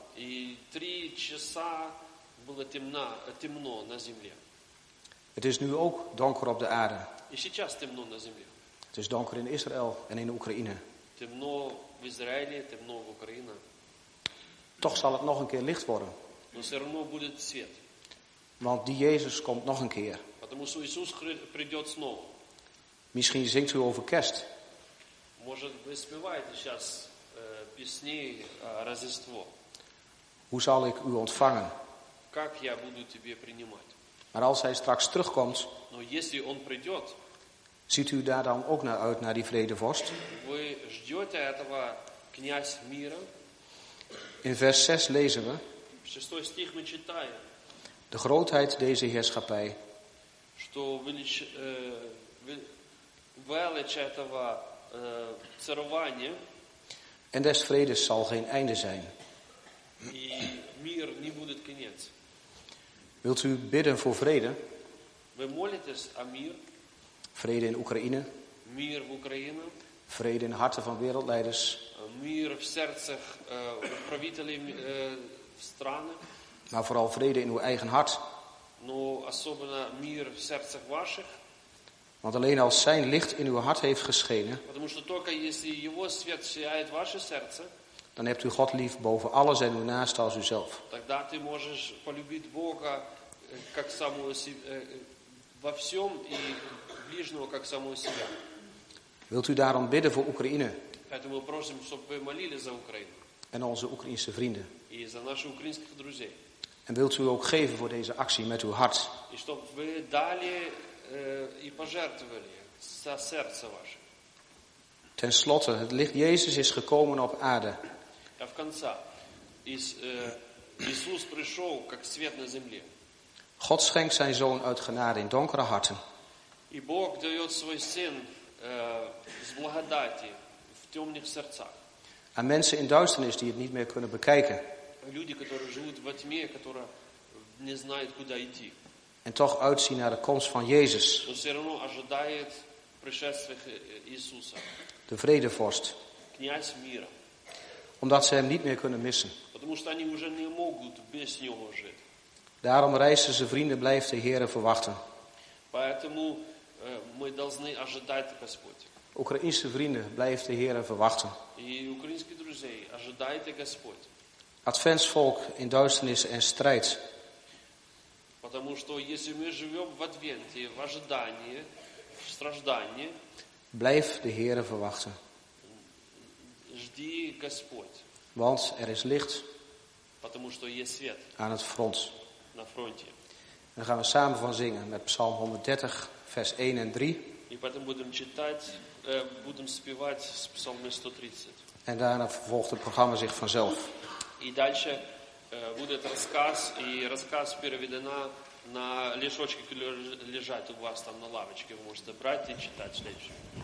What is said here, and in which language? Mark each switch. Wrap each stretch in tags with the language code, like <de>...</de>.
<ru>И 3 часа было темно на земле.</ru> <nl>Het is nu ook donker op de aarde.</nl> <ru>И сейчас темно на земле.</ru> <nl>Het is donker in Israël en in Oekraïne.</nl> <ru>Темно в Израиле, темно в Украине.</ru> <nl>Toch zal het nog een keer licht worden.</nl> <ru>Но все равно будет свет.</ru> <nl>Want die Jezus komt nog een keer.</nl> <ru>Потому что Иисус придет снова.</ru> <nl>Misschien zingt u over kerst.</nl> <ru>Может, вы спеваете сейчас песни о Рождество.</ru> <nl>Hoe zal ik u ontvangen?</nl> <ru>Как я буду тебе принимать?</ru> <nl>Maar als hij straks terugkomt,</nl> <ru>но если он придет,</ru> <nl>ziet u daar dan ook naar uit, naar die vredevorst?</nl> <ru>Вы ждете этого князь мира?</ru> <nl>In vers 6 lezen we,</nl> <ru>6 стих мы читаем,</ru> <nl>de grootheid deze heerschappij,</nl> <ru>что величие этого царования,</ru> <nl>en des vredes zal geen einde zijn.</nl> <ru>и мир не будет конец.</ru> <nl>Wilt u bidden voor vrede?</nl> <ru>Вы молитесь о мир?</ru> <nl>Vrede in Oekraïne.</nl> <ru>Мир в Украине.</ru> <nl>Vrede in harten van wereldleiders.</nl> <ru>Мир в сердцах правителей стран.</ru> <nl>Maar vooral vrede in uw eigen hart.</nl> <ru>Но особенно мир в сердцах ваших.</ru> <nl>Want alleen als zijn licht in uw hart heeft geschenen.</nl> <ru>Потому что только если его свет сияет в ваше сердце.</ru> <nl>Dan hebt u God lief boven alles en uw naaste als uzelf.</nl> <ru>Тогда ты можешь полюбить Бога как самого себя во всем и ближнего как самого себя.</ru> <nl>Wilt u daarom bidden voor Oekraïne?</nl> <ru>Поэтому мы просим, чтобы вы молились за Украину.</ru> <nl>En onze Oekraïense vrienden.</nl> <ru>И за наших украинских друзей.</ru> <nl>En wilt u ook geven voor deze actie met uw hart?</nl> <ru>И чтобы вы дали и пожертвовали со сердца ваше.</ru> <nl>Ten slotte, het licht Jezus is gekomen op aarde.</nl> <ru>А в конце, Иисус пришел как свет на земле.</ru> <nl>God schenkt zijn zoon uit genade in donkere harten.</nl> <ru>И Бог дает свой сын с благодати в темных сердцах.</ru> <nl>Aan mensen in duisternis die het niet meer kunnen bekijken.</nl> <ru>Люди, которые живут во тьме, которые не знают, куда идти.</ru> <nl>En toch uitzien naar de komst van Jezus.</nl> <ru>Но все равно ожидает пришествия Иисуса.</ru> <nl>De vredevorst.</nl> <ru>Князь мира.</ru> <nl>Omdat ze hem niet meer kunnen missen.</nl> <ru>Потому что они уже не могут без него жить.</ru> <nl>Daarom reizen ze vrienden, blijft de Heere verwachten.</nl> <ru>Поэтому мы должны ожидать Господь.</ru> <nl>Oekraïense vrienden, blijft de Heere verwachten.</nl> <ru>И украинские друзья, ожидайте Господь.</ru> <nl>Adventsvolk in duisternis en strijd.</nl> <ru>Потому что если мы живем в Адвенте, в ожидании, в страждании.</ru> <nl>Blijf de Heere verwachten.</nl> <ru>Жди Господь.</ru> <nl>Want er is licht.</nl> <ru>Потому что есть свет.</ru> <nl>Aan het front.</nl> <ru>На фронте.</ru> <nl>Dan gaan we samen van zingen met Psalm 130, vers 1 en 3.</nl> <ru>И потом будем читать, будем спевать с Псалмом 130.</ru> <nl>En daarna vervolgt het programma zich vanzelf.</nl> <ru>И дальше будет рассказ, и рассказ переведена на лишочки, которые лежат у вас там на лавочке. Вы можете брать и читать следующее.</ru>